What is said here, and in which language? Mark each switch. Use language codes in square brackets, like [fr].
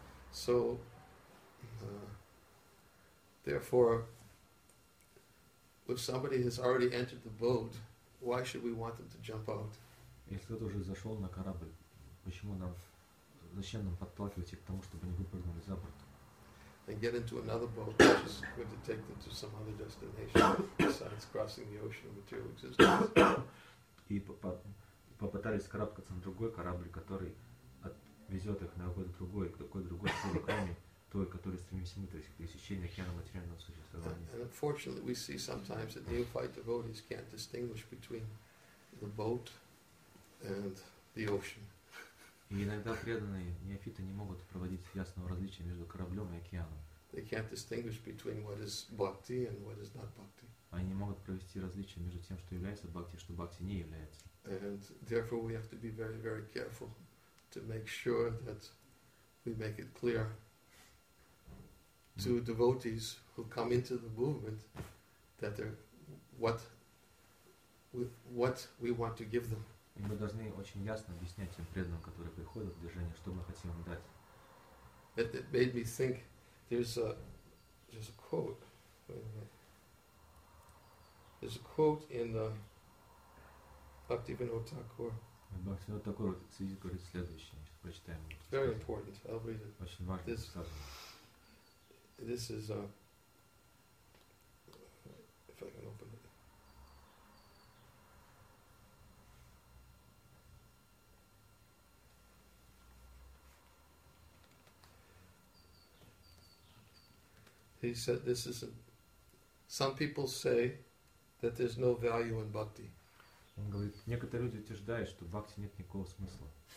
[en] So, therefore, if somebody has already entered the boat, why should we want them to jump out? [ru] Если кто-то уже зашел на корабль, почему нам, зачем нам подталкивать их к тому, чтобы они выпрыгнули за борт? [en] And get into another boat, which is going to take them to some other destination besides crossing the ocean of material existence. [ru] И попытались карабкаться на другой корабль, который отвезет их на какой-то другой цели, кроме той, которой стремимся мы, то есть к пересечению океана материального существования. [en] And unfortunately, we see sometimes that neophyte devotees can't distinguish between the boat and the ocean. [ru] И иногда преданные неофиты не могут проводить ясного различия между кораблем и океаном. [en] They can't distinguish between what is bhakti and what is not bhakti. [ru] Они не могут провести различия между тем, что является бхакти, и что бхакти не является. [en] And therefore we have to be very, very careful to make sure that we make it clear to devotees who come into the movement that they're what we want to give them. [ru] И мы должны очень ясно объяснять тем преданным, которые приходят в движение, что мы хотим им дать. [en] It made me think there's a quote. There's a quote in the Bhaktivinoda Thakur. [ru] Bhaktivinoda Thakur говорит следующее. Сейчас прочитаем. [en] Very important. I'll read it. [ru] Очень важно. [en] This is a, if I can open it. He said, "This isn't." Some people say that there's no value in bhakti. [ru] Он говорит, некоторые люди утверждают, что в бхакти нет никакого смысла.